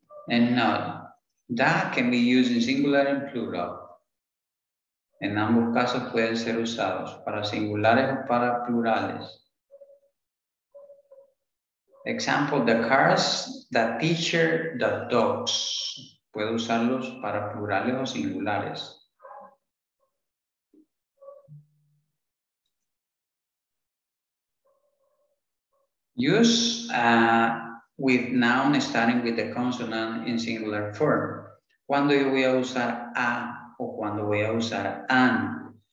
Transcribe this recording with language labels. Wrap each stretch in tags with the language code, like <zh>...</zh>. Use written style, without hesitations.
<en>And now, that can be used in singular and plural.</en> <es>En ambos casos pueden ser usados para singulares o para plurales.</es> <en>Example, the cars, the teacher, the dogs.</en> <es>Puedo usarlos para plurales o singulares.</es> <en>Use with noun starting with the consonant in singular form.</en> <es>¿Cuándo yo voy a usar a o cuándo voy a usar an?</es>